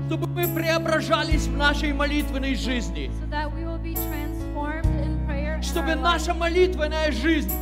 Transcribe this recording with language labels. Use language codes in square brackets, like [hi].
[ru] Чтобы мы преображались в нашей молитвенной жизни. [en] So that we will be transformed in prayer. [ru] Чтобы наша молитвенная жизнь,